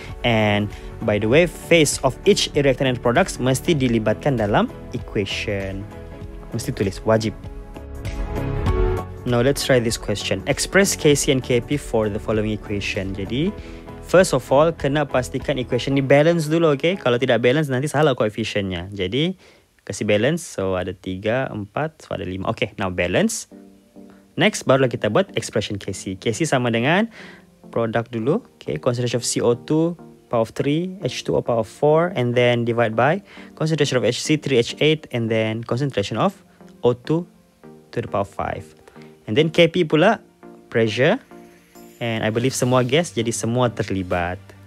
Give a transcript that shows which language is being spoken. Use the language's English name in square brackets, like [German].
[English] And by the way, phase of each reactant and products [Malay] mesti dilibatkan dalam equation. Mesti tulis, wajib. [English] Now let's try this question. Express Kc and Kp for the following equation. [Malay] Jadi, [English] first of all, [Malay] kena pastikan equation ni balance dulu, okay? Kalau tidak balance, nanti salah koefisiennya. Jadi, kasih balance. [English] So, [Malay] ada 3, 4, so ada 5. Okay, now balance. Next, barulah kita buat expression Kc. Kc sama dengan product dulu. [English] Okay, concentration of CO2 power of 3, H2O power of 4, and then divide by concentration of HC3H8, and then concentration of O2 to the power of 5. And then Kp pula, pressure. And I believe [Malay] semua gas, jadi semua terlibat.